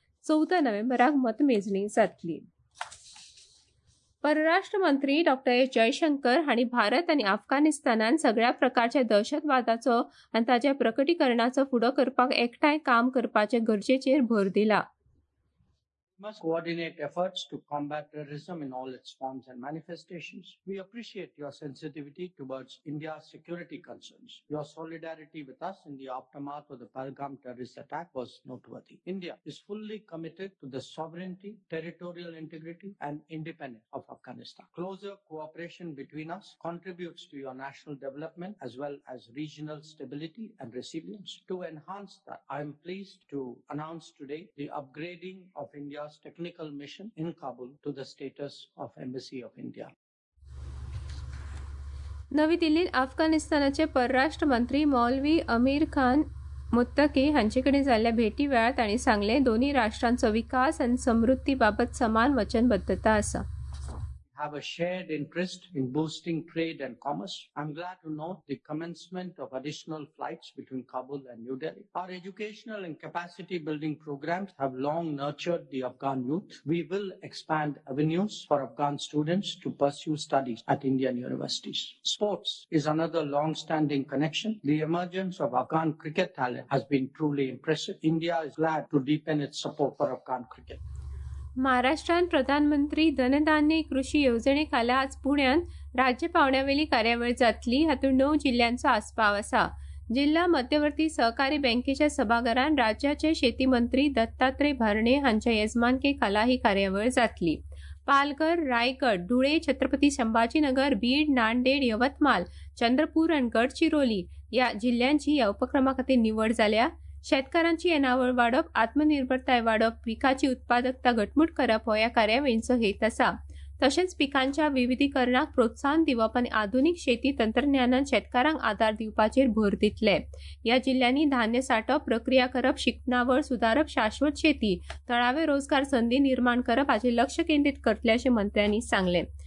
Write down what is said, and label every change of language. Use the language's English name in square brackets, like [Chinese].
[Goan Konkani] 14 नोव्हेंबराक मतमेजणी जातली. परराष्ट्र मंत्री डॉ एस जयशंकर हांणी भारत आनी अफगाणिस्तानान सगळ्या प्रकारच्या दहशतवादाचो आनी ताच्या प्रकटीकरणाचो फुडो करपाक एकठांय काम करपाचे गरजेचेर भर दिला. [English] We must coordinate efforts to combat terrorism in all its forms and manifestations. We appreciate your sensitivity towards India's security concerns. Your solidarity with us in the aftermath of the Pahalgam terrorist attack was noteworthy. India is fully committed to the sovereignty, territorial integrity and independence of Afghanistan. Closer cooperation between us contributes to your national development as well as regional stability and resilience. To enhance that, I am pleased to announce today the upgrading of India technical mission in Kabul to the status of embassy of India. [Goan Konkani] नवी दिल्लीत अफगाणिस्तानचे परराष्ट्र मंत्री मौलवी अमीर खान मुत्तकी हांचेकडे झाल्या भेटी वेळार ताणी सांगले, दोन्ही राष्ट्रांचा विकास आणि समृद्धी बाबत समान वचनबद्धता असा. [English] Have a shared interest in boosting trade and commerce. I'm glad to note the commencement of additional flights between Kabul and New Delhi. Our educational and capacity building programs have long nurtured the Afghan youth. We will expand avenues for Afghan students to pursue studies at Indian universities. Sports is another long-standing connection. The emergence of Afghan cricket talent has been truly impressive. India is glad to deepen its support for Afghan cricket. [Goan Konkani] महाराष्ट्रात प्रधानमंत्री धनधान्य कृषी येवजणे खाला आज पुण्यात राज्य पावण्यावेळी कार्यावळ जातली. हातूंत 9 जिल्ह्यांचा आस्पाव असा. जिल्हा मध्यवर्ती सहकारी बँकेच्या सभागरांत राज्याचे शेती मंत्री दत्तात्रय भरणे हांच्या येजमानके खाला ही कार्यावळ जातली. पालघर, रायगड, धुळे, छत्रपती संभाजीनगर, बीड, नांदेड, यवतमाळ, चंद्रपूर आणि गडचिरोली या जिल्ह्यांची या उपक्रमा खातीर निवड झाल्या. शेतकऱ्यांची येणावळ वाढप, आत्मनिर्भरताय वाढप, पिकाची उत्पादकता घटमूट करप हो या कार्यावळींचो हेत असा. तशेंच पिकांच्या विविधीकरणाक प्रोत्साहन दिवप आनी आधुनिक शेती तंत्रज्ञानान शेतकारांक आधार दिवपाचेर भर दितले. या जिल्ह्यांनी धान्य साठप, प्रक्रिया करप, शिकणावळ सुधारप, शाश्वत शेती, थळावे रोजगार संधी निर्माण करप हाचेर लक्ष केंद्रीत करतले अशें मंत्र्यांनी सांगले.